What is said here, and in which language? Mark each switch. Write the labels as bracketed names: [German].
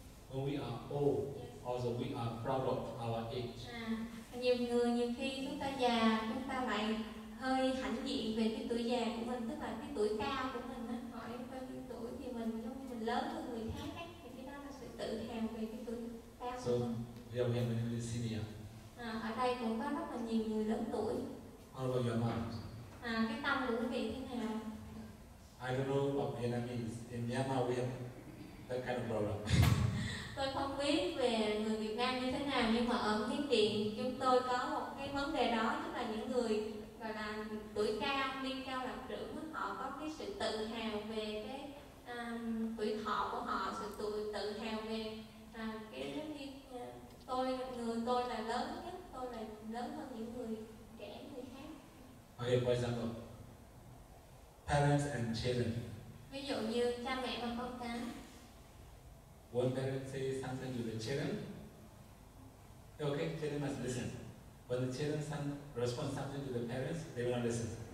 [English] when we are old also, we are proud of our age. [Vietnamese] Nhiều người nhiều khi chúng ta già chúng ta lại hơi hãnh diện về cái tuổi già của mình, tức là cái tuổi cao của mình á, hỏi bao nhiêu tuổi thì mình giống như mình lớn hơn người khác ấy, thì cái đó là sự tự hào về cái tuổi cao. [English] So we have many people senior. [Vietnamese] Ở đây cũng có rất là nhiều người lớn tuổi. [English] How about your mind? [Vietnamese] Cái tâm của quý vị thế nào? [English] I don't know what Vietnamese. In Myanmar we have that kind of problem. [Vietnamese] Tôi không biết về người Việt Nam như thế nào, nhưng mà ở Miến Điện chúng tôi có một cái vấn đề đó, tức là những người gọi là tuổi cao, niên cao lập trưởng, họ có cái sự tự hào về cái tuổi thọ của họ, sự tự hào về cái giống như tôi là lớn nhất, tôi là lớn hơn những người trẻ người khác. [English] Okay, for example, parents and children. [Vietnamese] Ví dụ như cha mẹ và con cái. [English] When parents say something to the children, okay, children must listen. When the children respond something to the parents, they will not listen.